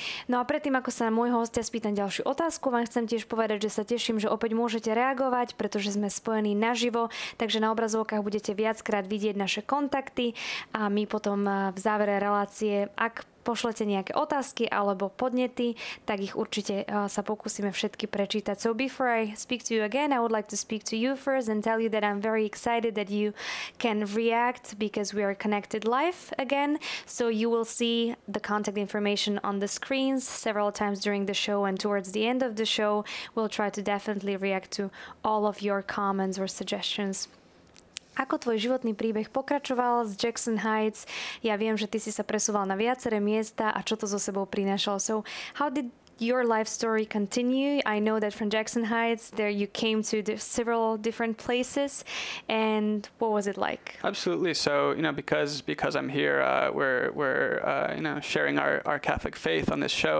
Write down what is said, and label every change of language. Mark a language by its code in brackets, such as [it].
[sk] No a predtým, ako sa môjho hostia spýtam ďalšiu otázku, vám chcem tiež povedať, že sa teším, že opäť môžete reagovať, pretože sme spojení naživo, takže na obrazovkách budete viackrát vidieť naše kontakty a my potom v závere relácie, ak pošlete nejaké otázky alebo podnety, tak ich určite sa pokúsime všetky prečítať. [en] So before I speak to you again, I would like to speak to you first and tell you that I'm very excited that you can react because we are connected live again. So you will see the contact information on the screens several times during the show and towards the end of the show, we'll try to definitely react to all of your comments or suggestions. [sk] Ako tvoj životný príbeh pokračoval z Jackson Heights? Ja viem, že ty si sa presúval na viaceré miesta a čo to so sebou prinášalo. [en] So, how did your life story continue? I know that from Jackson Heights, there you came to several different places. And what was it like? Absolutely. So, you know, because I'm here, we're sharing our Catholic faith on this show.